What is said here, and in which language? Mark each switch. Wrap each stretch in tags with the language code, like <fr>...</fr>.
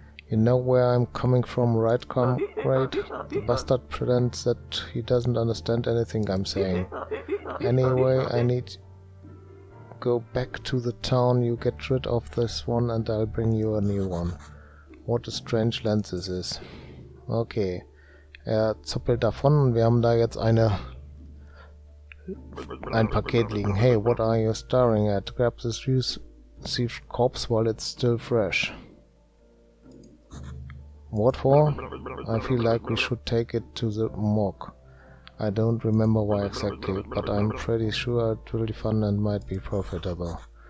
<en>You know where I'm coming from, right, comrade? The bastard pretends that he doesn't understand anything I'm saying. Anyway, I need to go back to the town. You get rid of this one and I'll bring you a new one. What a strange lens this is. Okay.</en> <de>Er zappelt davon und wir haben da jetzt ein Paket liegen.</de> <en>Hey, what are you staring at? Grab this received corpse while it's still fresh. What for? I feel like we should take it to the morgue. I don't remember why exactly, but I'm pretty sure it will be fun and might be profitable.</en>